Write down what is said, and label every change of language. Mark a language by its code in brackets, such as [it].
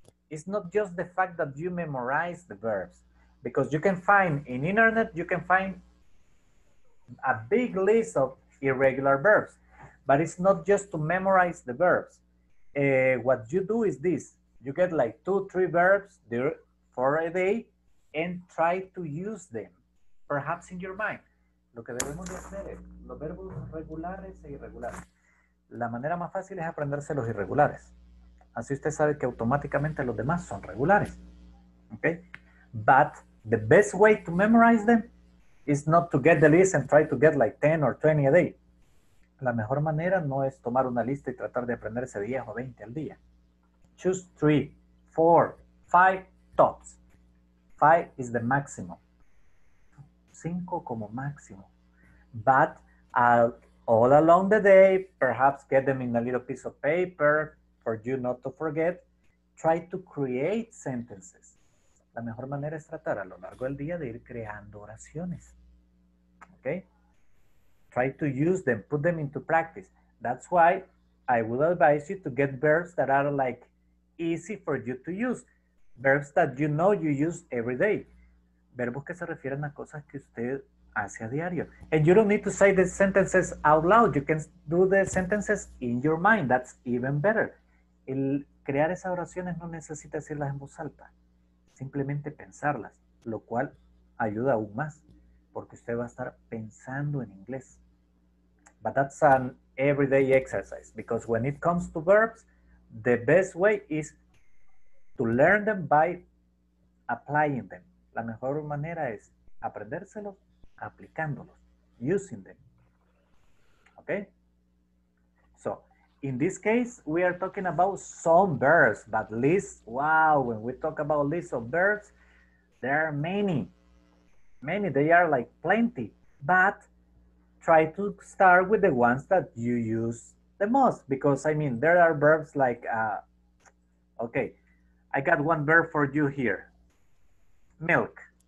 [en] It's not just the fact that you memorize the verbs, because you can find in internet, you can find a big list of irregular verbs, but it's not just to memorize the verbs. What you do is this, you get like 2-3 verbs there for a day and try to use them, perhaps in your mind. [es] Lo que debemos de hacer es los verbos regulares e irregulares. La manera más fácil es aprenderse los irregulares. Así usted sabe que automáticamente los demás son regulares. [en] Okay? But the best way to memorize them is not to get the list and try to get like 10 or 20 a day. [es] La mejor manera no es tomar una lista y tratar de aprenderse 10 o 20 al día. [en] Choose 3, 4, 5 tops. 5 is the maximum. [es] 5 como máximo. [en] But all along the day, perhaps get them in a little piece of paper for you not to forget. Try to create sentences. [es] La mejor manera es tratar a lo largo del día de ir creando oraciones. [en] Okay? Try to use them, put them into practice. That's why I would advise you to get verbs that are like easy for you to use. Verbs that you know you use every day. [es] Verbos que se refieren a cosas que usted hace a diario. [en] And you don't need to say the sentences out loud. You can do the sentences in your mind. That's even better. [es] El crear esas oraciones no necesita decirlas en voz alta. Simplemente pensarlas, lo cual ayuda aún más, porque usted va a estar pensando en inglés. [en] But that's an everyday exercise, because when it comes to verbs, the best way is to learn them by applying them. [es] La mejor manera es aprendérselos aplicándolos, [en] using them. Okay? So, in this case, we are talking about some verbs, but lists, wow, when we talk about lists of verbs, there are many. Many, they are like plenty, but try to start with the ones that you use the most, because I mean, there are verbs like, okay, I got one verb for you here, milk.